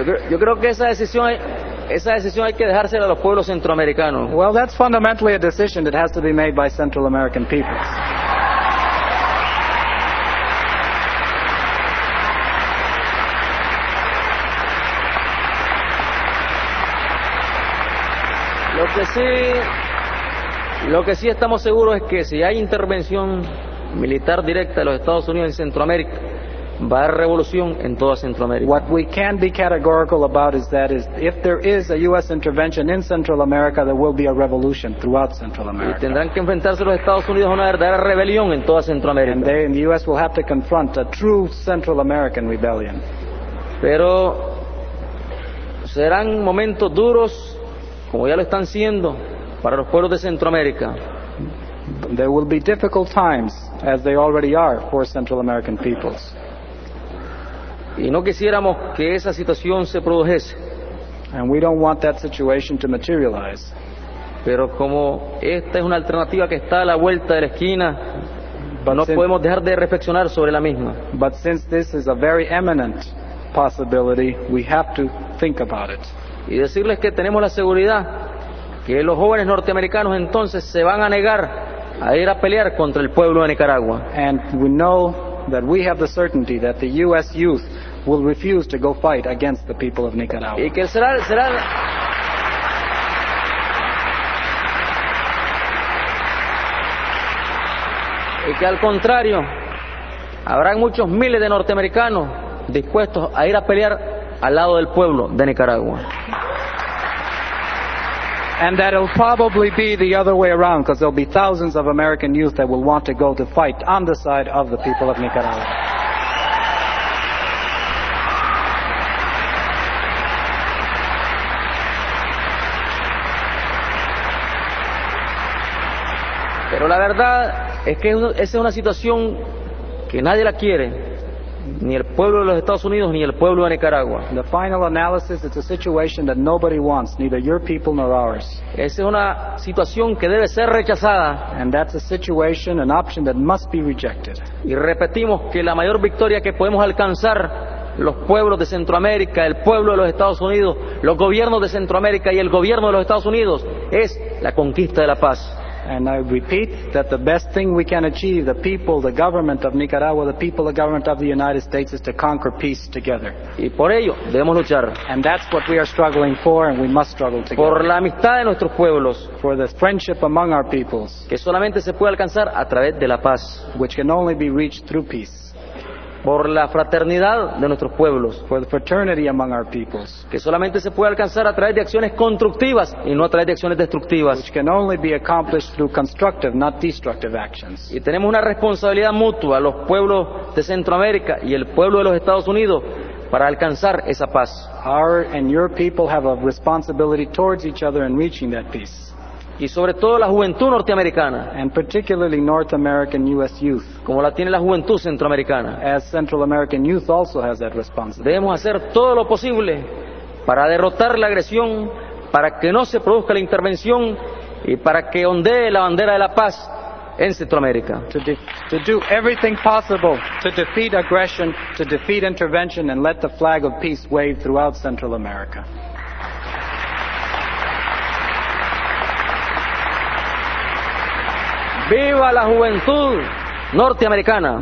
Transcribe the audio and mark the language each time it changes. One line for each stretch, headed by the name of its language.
Spanish: Yo creo que esa decisión hay que dejársela a los pueblos centroamericanos.
English: Well, that's fundamentally a decision that has to be made by Central American peoples.
Spanish: Lo que sí estamos seguros es que si hay intervención militar directa de los Estados Unidos en Centroamérica, va a haber revolución en toda Centroamérica.
English: What we can be categorical about is that is if there is a U.S. intervention in Central America, there will be a revolution throughout Central America.
Spanish: Y tendrán que enfrentarse los Estados Unidos a una verdadera rebelión en toda Centroamérica.
English: And they, in the U.S., will have to confront a true Central American rebellion.
Spanish: Pero serán momentos duros, como ya lo están siendo, para los pueblos de Centroamérica.
English: There will be difficult times, as they already are, for Central American peoples.
Spanish: Y no quisiéramos que esa situación se produjese.
English: And we don't want that situation to materialize.
Spanish: Pero como esta es una alternativa que está a la vuelta de la esquina, podemos dejar de reflexionar sobre la misma.
English: But since this is a very imminent possibility, we have to think about it.
Spanish: Y decirles que tenemos la seguridad que los jóvenes norteamericanos entonces se van a negar a ir a pelear contra el pueblo de Nicaragua.
English: And we know that we have the certainty that the U.S. youth will refuse to go fight against the people of Nicaragua.
Spanish: Y que será y que al contrario, habrá muchos miles de norteamericanos dispuestos a ir a pelear al lado del pueblo de Nicaragua.
English: And that it'll probably be the other way around, because there'll be thousands of American youth that will want to go to fight on the side of the people of Nicaragua.
Spanish: Pero la verdad es que esa es una situación que nadie la quiere. Ni el pueblo de los Estados Unidos ni el pueblo de Nicaragua.
English: The final analysis, it's a situation that nobody wants, neither your people nor ours.
Spanish: Esa es una situación que debe ser rechazada.
English: And that's a situation, an option that must be rejected.
Spanish: Y repetimos que la mayor victoria que podemos alcanzar los pueblos de Centroamérica, el pueblo de los Estados Unidos, los gobiernos de Centroamérica y el gobierno de los Estados Unidos es la conquista de la paz.
English: And I repeat that the best thing we can achieve, the people, the government of Nicaragua, the people, the government of the United States, is to conquer peace together.
Spanish: Y por ello debemos luchar.
English: And that's what we are struggling for, and we must struggle together.
Spanish: Por la amistad de nuestros pueblos.
English: For the friendship among our peoples.
Spanish: Que solamente se puede alcanzar a través de la paz.
English: Which can only be reached through peace.
Spanish: por la fraternidad de nuestros pueblos,
English: for the fraternity among our peoples,
Spanish: que solamente se puede alcanzar a través de acciones constructivas y no a través de acciones destructivas,
English: which can only be accomplished through constructive, not destructive actions.
Spanish: Y tenemos una responsabilidad mutua, los pueblos de Centroamérica y el pueblo de los Estados Unidos, para alcanzar esa paz.
English: Our and your people have a responsibility towards each other in reaching that peace.
Spanish: Y sobre todo la juventud norteamericana,
English: and particularly North American U.S. youth,
Spanish: como la tiene la juventud centroamericana,
English: as Central American youth also has that responsibility.
Spanish: Debemos hacer todo lo posible para derrotar la agresión, para que no se produzca la intervención y para que ondee la bandera de la paz en Centroamérica.
English: To do everything possible to defeat aggression, to defeat intervention, and let the flag of peace wave throughout Central America.
Spanish: Viva la juventud norteamericana.